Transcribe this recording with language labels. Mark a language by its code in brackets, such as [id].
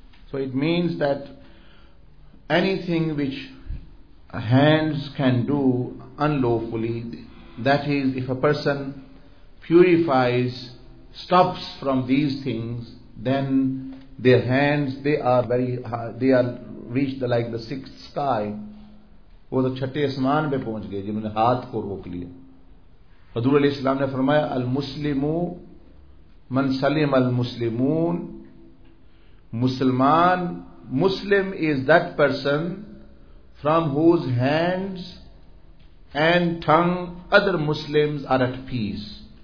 [en] So it means that anything which hands can do unlawfully, that is, if a person purifies, stops from these things, then their hands, they are very high, they are reached the, like the sixth sky. [ur] وہ تو چھٹے اسمان پہ پہنچ گئے جنہوں نے ہاتھ کو روک لیا. حضور علیہ السلام نے فرمایا [ar] المسلم من سلم المسلمون, [en] مسلمان, مسلم is that person from whose hands and tongue other Muslims are at peace.